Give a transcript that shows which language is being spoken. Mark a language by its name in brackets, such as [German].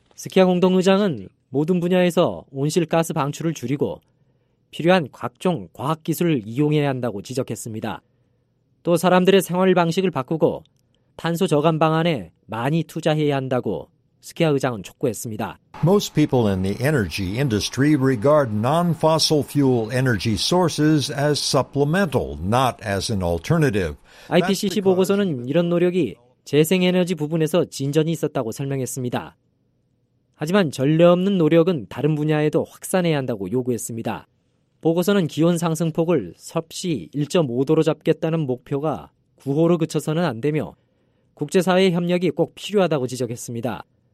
[Korean] 스키아 공동의장은 모든 분야에서 온실가스 방출을 줄이고 필요한 각종 과학기술을 이용해야 한다고 지적했습니다. 또 사람들의 생활 방식을 바꾸고 탄소 저감 방안에 많이 투자해야 한다고 스키아 의장은 촉구했습니다. [English] Most people in the energy industry regard non-fossil fuel energy sources as supplemental, not as an alternative. [Korean] IPCC 보고서는 이런 노력이 재생에너지 부분에서 진전이 있었다고 설명했습니다. 하지만 전례 없는 노력은 다른 분야에도 확산해야 한다고 요구했습니다. 보고서는 기온 상승폭을 섭씨 1.5도로 잡겠다는 목표가 구호로 그쳐서는 안 되며 국제사회의 협력이 꼭 필요하다고 지적했습니다.